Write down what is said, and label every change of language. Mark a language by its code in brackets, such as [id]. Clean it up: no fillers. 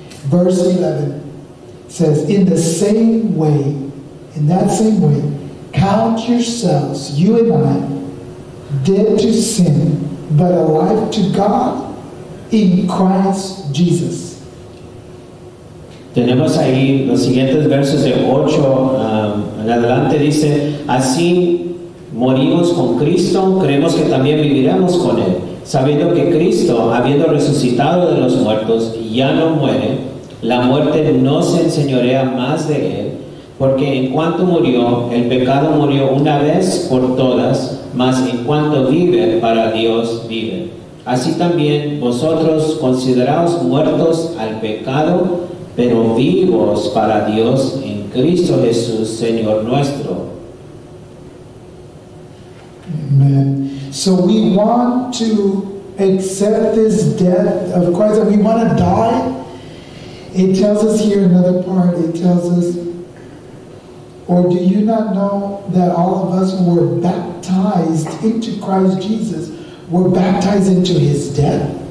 [en] Verse 11 says, in the same way, in that same way, count yourselves, you and I, dead to sin, but alive to God in Christ Jesus. [es] Tenemos ahí los siguientes versos de 8 en adelante. Dice, así morimos con Cristo, creemos que también viviremos con él, sabiendo que Cristo, habiendo resucitado de los muertos, ya no muere. La muerte no se enseñorea más de él, porque en cuanto murió, el pecado murió una vez por todas, mas en cuanto vive, para Dios vive. Así también vosotros consideraos muertos al pecado, pero vivos para Dios en Cristo Jesús, Señor nuestro. Amen. [en] So we want to accept this death of Christ, and we want to die. It tells us here another part. It tells us, or do you not know that all of us were baptized into Christ Jesus, were baptized into his death?